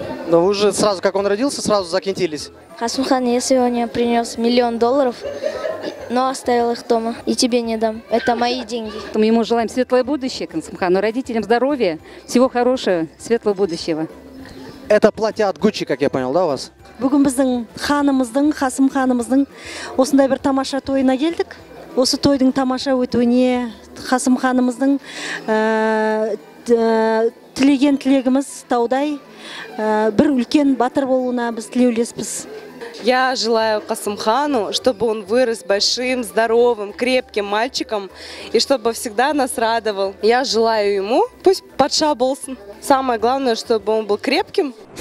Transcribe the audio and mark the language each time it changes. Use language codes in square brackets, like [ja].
[ru] Но вы уже сразу, как он родился, сразу закинтились. Касымхан, я сегодня принес $1 000 000, но оставил их дома и тебе не дам. Это мои деньги. Мы ему желаем светлое будущее, Касымхану, родителям здоровья, всего хорошего, светлого будущего. Это платье от Гуччи, как я понял, да, у вас? [kk] Бүгін біздің ханымыздың, Касымханымыздың осындай бір тамаша тойына келдік. Осы тойдың тамаша өтуіне Касымханымыздың тілеген тілегіміз таудай бір үлкен батыр болуына біз тілеулеспіз. [ru] Я желаю Касымхану, чтобы он вырос большим, здоровым, крепким мальчиком и чтобы всегда нас радовал. Я желаю ему, пусть [kk] патша болсын. [ru] Самое главное, чтобы он был крепким.